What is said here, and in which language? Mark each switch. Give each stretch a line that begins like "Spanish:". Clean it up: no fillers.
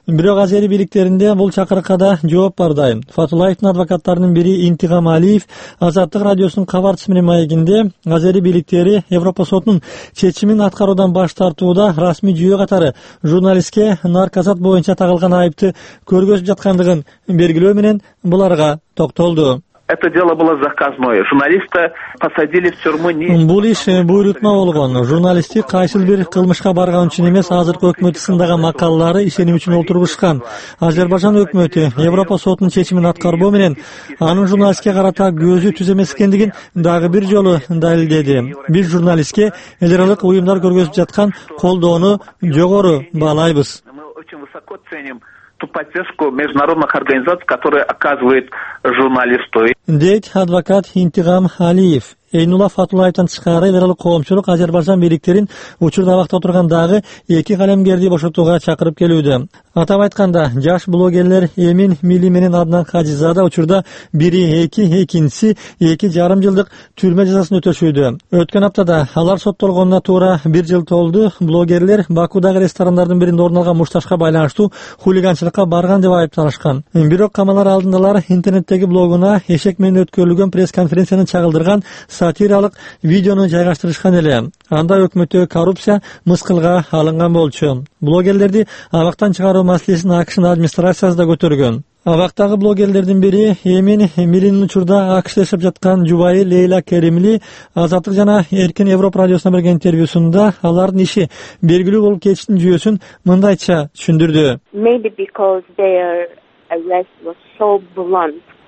Kyrgyz: Бирок азери бийликтеринде бул чакырыкка да жооп бар дайым. Фатуллаевдин адвокаттарынын бири Интигам Алиев Азаттык радиосунун кабарчысы менен маегинде азери бийликтери Европа сотунун чечимин аткаруудан баш тартууда расмий жүйө катары журналистке нарказат боюнча тагылган айыпты көргөзүп жаткандыгын белгилөө менен буларга токтолду.
Russian: Это дело было заказное. Журналиста посадили в тюрьму не.
Kyrgyz: Бул иш буйрутма болгон. Журналисти кайсыл бир кылмышка барган үчүн эмес, азыркы өкмөт сындаган макалалары ишеним үчүн олтургушкан. Азербайжан өкмөтү Европа сотунун чечимин аткарбоо менен анын журналистке карата көзү түз эмес экендигин дагы бир жолу далилдеди. Биз журналистке эл аралык уюмдар көргөзүп жаткан колдоону жогору баалайбыз.
Russian: Высоко ценим ту поддержку международных организаций, которые оказывают журналисту.
Kyrgyz: Дейт адвокат Интигам Алиев. Эйнулла Фатуллаевдан тышкары эл аралык коомчулук Азербайжан бийликтерин учурда абакта отургандагы эки калемгерди бошотууга чакырып келүүдө. Атап айтканда, жаш блогерлер Эмин Милли менен Аднан Хажизада учурда бири 2, экинчиси 2,5 жылдык түрмө жазасын өтөшүүдө. Өткөн аптада алар соттолгонуна туура 1 жыл толду. Блогерлер Бакудагы ресторандардын биринде орун алган мушташка байланыштуу хулиганчылыкка барган деп айыпталышкан. Бирок камалар алдында алар интернеттеги блогуна эшек менен өткөрүлгөн пресс-конференцияны чагылдырган сатиралык видеону жайгаштырышкан эле. Анда өкмөттө коррупция мыскылга алынган болчу. Блогерлерди абактан чыгаруу маселесин АКШнын администрациясы да көтөргөн. Абактагы блогерлердин бири Эмин Милинин учурда АКШда жашап жаткан жубайы Лейла Керимли Азаттык жана Эркин Европа радиосуна берген интервьюсунда алардын иши белгилүү болуп кетиштин жүйөсүн мындайча түшүндүрдү.
English: Maybe because their arrest was so blunt.